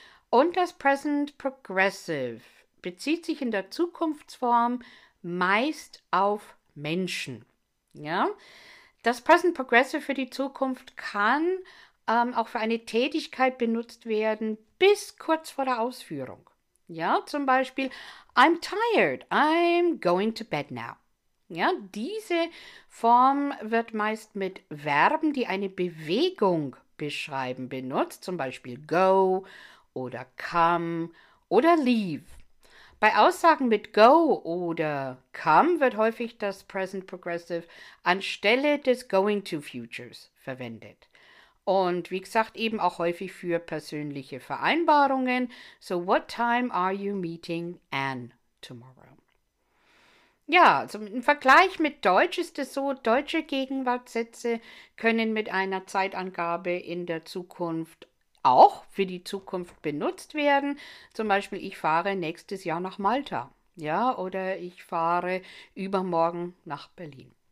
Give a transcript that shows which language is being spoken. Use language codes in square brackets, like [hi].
[de] Und das Present Progressive bezieht sich in der Zukunftsform meist auf Menschen. Ja, das Present Progressive für die Zukunft kann auch für eine Tätigkeit benutzt werden, bis kurz vor der Ausführung. Ja, zum Beispiel, [en] I'm tired, I'm going to bed now. [de] Ja, diese Form wird meist mit Verben, die eine Bewegung beschreiben, benutzt, zum Beispiel go oder come oder leave. Bei Aussagen mit go oder come wird häufig das Present Progressive anstelle des going to futures verwendet. Und wie gesagt, eben auch häufig für persönliche Vereinbarungen. [en] So, what time are you meeting Anne tomorrow? [de] Ja, also im Vergleich mit Deutsch ist es so, deutsche Gegenwartssätze können mit einer Zeitangabe in der Zukunft auch für die Zukunft benutzt werden. Zum Beispiel, ich fahre nächstes Jahr nach Malta. Ja, oder ich fahre übermorgen nach Berlin.